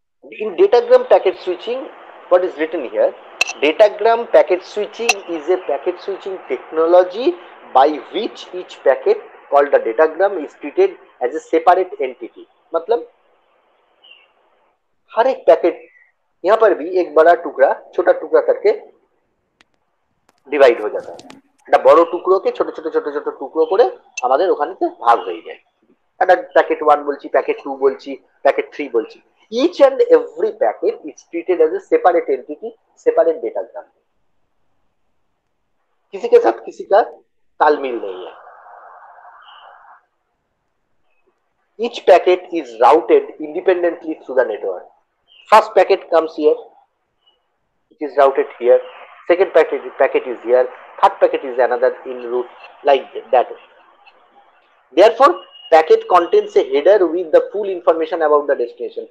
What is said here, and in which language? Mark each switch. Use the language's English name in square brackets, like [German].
[English] In datagram packet switching, what is written here? Datagram packet switching is a packet switching technology by which each packet called the datagram is treated as a separate entity. [Hindi] मतलब हर एक packet यहाँ पर भी एक बड़ा टुकड़ा छोटा टुकड़ा करके डिवाइड हो जाता है, एक बड़ा टुकड़ो के छोटे छोटे छोटे छोटे टुकड़ो करे हमारे ओखान से भाग हो जाए, एक packet one बोलची, packet to बोलची, packet three बोलची, [English] each and every packet is treated as a separate entity, [Hindi] separate datagram, किसी के साथ किसी का तालमेल नहीं है। [English] Each packet is routed independently through the network. First packet comes here, it is routed here. Second packet is here. Third packet is another in route like that. Therefore, packet contains a header with the full information about the destination.